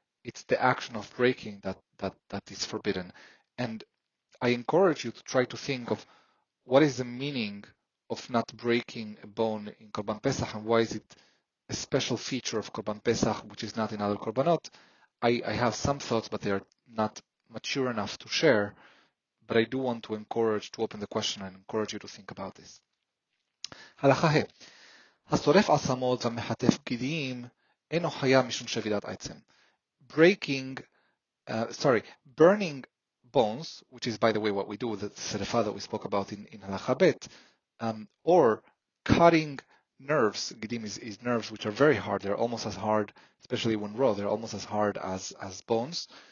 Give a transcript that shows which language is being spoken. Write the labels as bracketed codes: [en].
[en] It's the action of breaking that is forbidden. And I encourage you to try to think of what is the meaning of not breaking a bone in Korban Pesach, and why is it a special feature of Korban Pesach, which is not in other Korbanot. I have some thoughts, but they are not mature enough to share. But I do want to encourage, to open the question, and encourage you to think about this. [he] הלכה ה. השורף עצמות והמחטף בגידים אינו חיה משום שבירת עצם. [en] Burning bones, which is, by the way, what we do with the serifa that we spoke about in Halakha Bet, or cutting nerves, gidim is nerves, which are very hard. They're almost as hard, especially when raw, they're almost as hard as bones.